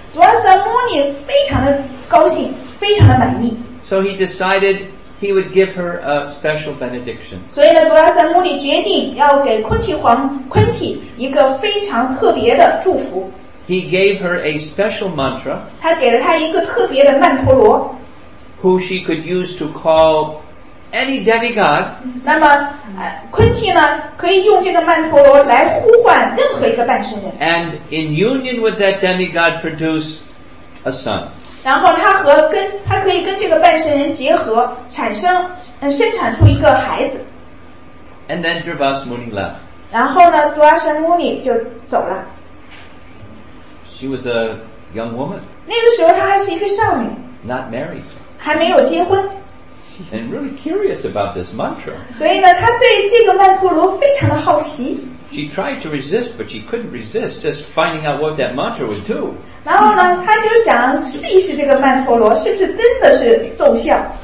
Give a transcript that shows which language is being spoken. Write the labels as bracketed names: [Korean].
[Chinese] Durvasamuni 非常的高兴，非常的满意。 [English] So he decided. He would give her a special benediction. [Chinese] 所以呢，多拉三摩尼决定要给昆提皇昆提一个非常特别的祝福。 [English] He gave her a special mantra. [Chinese] 他给了她一个特别的曼陀罗。 [English] Who she could use to call any demigod. [Chinese] 那么，昆提呢，可以用这个曼陀罗来呼唤任何一个半神人。 [English] And in union with that demigod, produce a son. [Chinese] 然后他可以跟这个半神人结合，生产出一个孩子。 [English] And then Durvasamuni left. [Chinese] 然后呢，多阿山摩尼就走了。 [English] She was a young woman. [Chinese] 那个时候她还是一个少女。 [English] Not married. [Chinese] 还没有结婚。 [English] And really curious about this mantra. [Chinese] 所以呢，她对这个曼陀罗非常的好奇。 [English] She tried to resist, but she couldn't resist just finding out what that mantra would do. [Chinese] 然后呢，她就想试一试这个曼陀罗是不是真的是奏效。